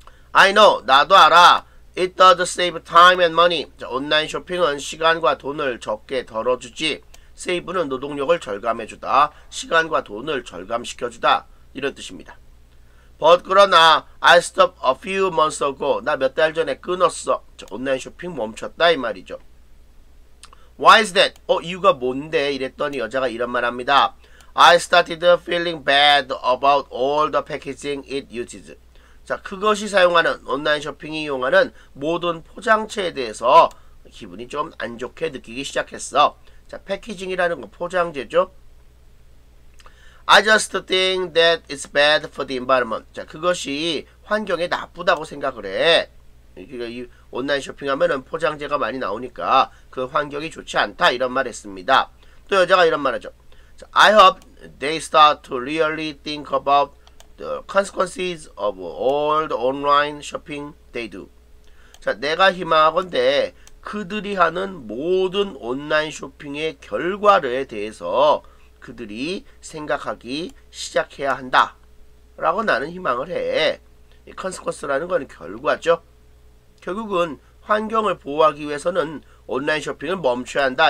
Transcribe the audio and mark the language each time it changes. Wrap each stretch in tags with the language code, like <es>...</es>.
<en>I know.</en> <ko>나도 알아.</ko> <en>It does save time and money.</en> <ko>자, 온라인 쇼핑은 시간과 돈을 적게 덜어주지. 세이브는 노동력을 절감해주다, 시간과 돈을 절감시켜주다 이런 뜻입니다.</ko> <en>But 그러나 I stopped a few months ago.</en> <ko>나 몇 달 전에 끊었어. 자, 온라인 쇼핑 멈췄다 이 말이죠.</ko> <en>Why is that?</en> <ko>이유가 뭔데? 이랬더니 여자가 이런 말합니다.</ko> <en>I started feeling bad about all the packaging it uses.</en> <ko>자, 그것이 사용하는 온라인 쇼핑이 이용하는 모든 포장체에 대해서 기분이 좀 안 좋게 느끼기 시작했어. 자, 패키징이라는 건 포장재죠.</ko> <en>I just think that it's bad for the environment.</en> <ko>자, 그것이 환경에 나쁘다고 생각을 해. 온라인 쇼핑하면은 포장재가 많이 나오니까 그 환경이 좋지 않다 이런 말 했습니다. 또 여자가 이런 말 하죠.</ko> <en>I hope they start to really think about the consequences of all the online shopping they do.</en> <ko>자, 내가 희망하건대 그들이 하는 모든 온라인 쇼핑의 결과를에 대해서 그들이 생각하기 시작해야 한다. 라고 나는 희망을 해. 이 컨스퀀스라는 건 결과죠. 결국은 환경을 보호하기 위해서는 온라인 쇼핑을 멈춰야 한다.</ko>